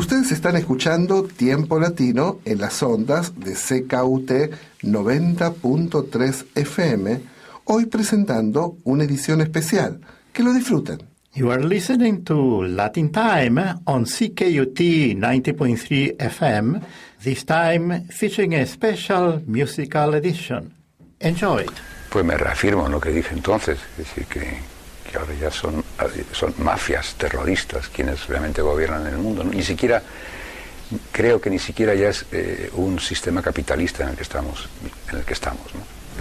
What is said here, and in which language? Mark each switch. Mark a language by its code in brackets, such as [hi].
[es] Están escuchando Tiempo Latino en las ondas de CKUT 90.3 FM, hoy presentando una edición especial. Que lo disfruten. [en] You are listening to Latin Time on CKUT 90.3 FM, this time featuring a special musical edition. Enjoy it. [es] Pues me reafirmo en lo que dije entonces, es decir, que ahora ya son mafias terroristas quienes realmente gobiernan el mundo, ¿no? Creo que ni siquiera ya es un sistema capitalista en el que estamos, ¿no?